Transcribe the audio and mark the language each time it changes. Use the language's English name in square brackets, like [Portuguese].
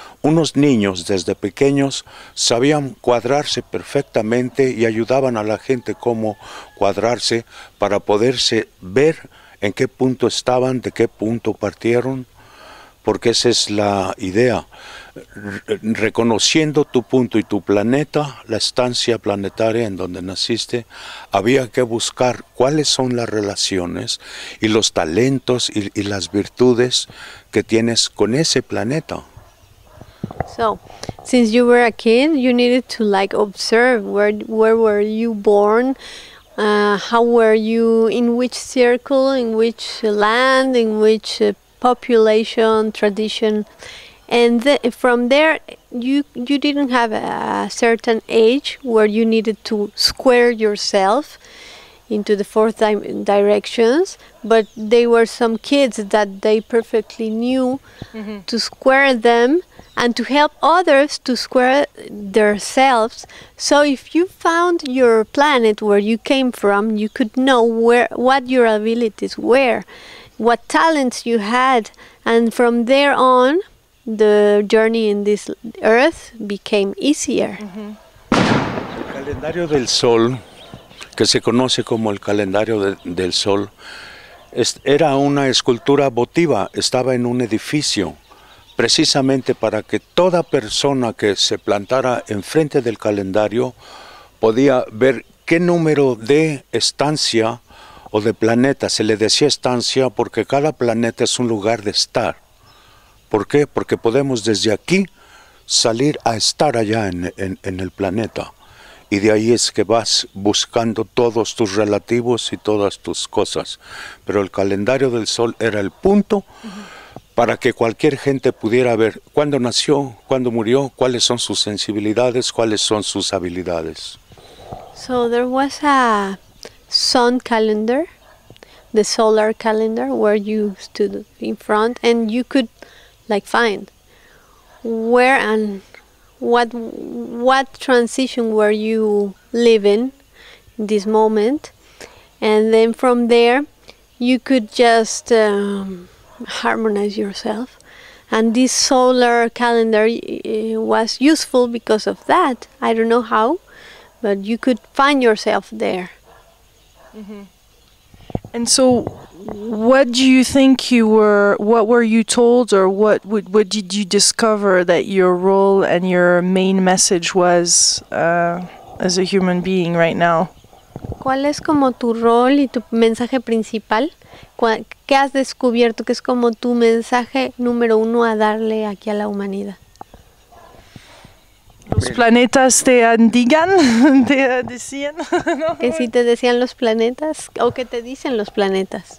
[Spanish] Unos niños desde pequeños sabían cuadrarse perfectamente y ayudaban a la gente cómo cuadrarse para poderse ver en qué punto estaban, de qué punto partieron, porque esa es la idea. Reconociendo tu punto y tu planeta, la estancia planetaria en donde naciste, había que buscar cuáles son las relaciones y los talentos y las virtudes que tienes con ese planeta. [English] So, since you were a kid, you needed to like observe where were you born, how were you, in which circle, in which land, in which population, tradition. And from there, you didn't have a certain age where you needed to square yourself into the fourth directions, but there were some kids that they perfectly knew to square them and to help others to square themselves. So if you found your planet where you came from, you could know where what your abilities were, what talents you had, and from there on, the journey in this earth became easier. [Spanish] El calendario del sol, que se conoce como el calendario del sol, era una escultura votiva, estaba en un edificio, precisamente para que toda persona que se plantara enfrente del calendario podía ver qué número de estancia o de planeta, se le decía estancia porque cada planeta es un lugar de estar. ¿Por qué? Porque podemos desde aquí salir a estar allá en el planeta. Y de ahí es que vas buscando todos tus relativos y todas tus cosas. Pero el calendario del sol era el punto para que cualquier gente pudiera ver cuándo nació, cuándo murió, cuáles son sus sensibilidades, cuáles son sus habilidades. [English] So there was a sun calendar, the solar calendar, where you stood in front and you could like find where and what transition were you living in this moment, and then from there you could just harmonize yourself, and this solar calendar was useful because of that. I don't know how, but you could find yourself there. And so what do you think you were, what were you told, or what did you discover that your role and your main message was as a human being right now? [Spanish] ¿Cuál es como tu rol y tu mensaje principal? ¿Qué has descubierto que es como tu mensaje número uno a darle aquí a la humanidad? Los planetas te andigan, te decían, ¿no? Que si te decían los planetas, o que te dicen los planetas.